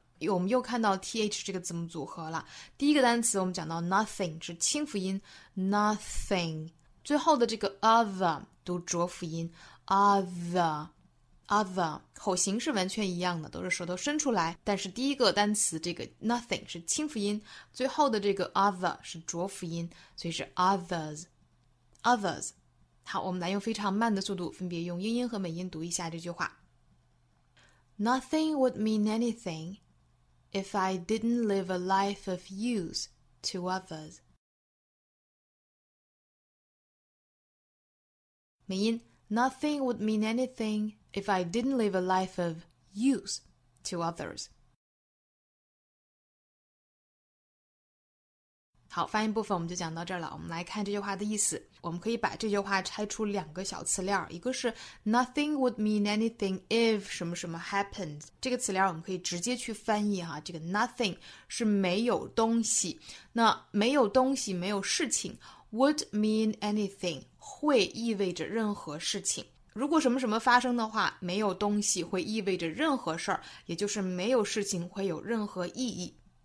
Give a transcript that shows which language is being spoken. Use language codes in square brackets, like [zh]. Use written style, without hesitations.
[zh] 我们又看到 th 这个字母组合了，第一个单词我们讲到 nothing 是清辅音 nothing， 最后的这个 other 读浊辅音 other 口型是完全一样的，都是舌头伸出来，但是第一个单词这个 nothing 是清辅音，最后的这个 other 是浊辅音，所以是 others。好，我们来用非常慢的速度分别用英音和美音读一下这句话。 [en] Nothing would mean anythingIf I didn't live a life of use to others. 美音 Nothing would mean anything if I didn't live a life of use to others. [zh] 好，发音部分我们就讲到这儿了。我们来看这句话的意思。我们可以把这句话拆出两个小词链，一个是 [en] nothing would mean anything if [zh] 什么什么 happened， 这个词链我们可以直接去翻译哈，这个 nothing 是没有东西，那没有东西没有事情， [en] would mean anything [zh] 会意味着任何事情，如果什么什么发生的话，没有东西会意味着任何事，也就是没有事情会有任何意义。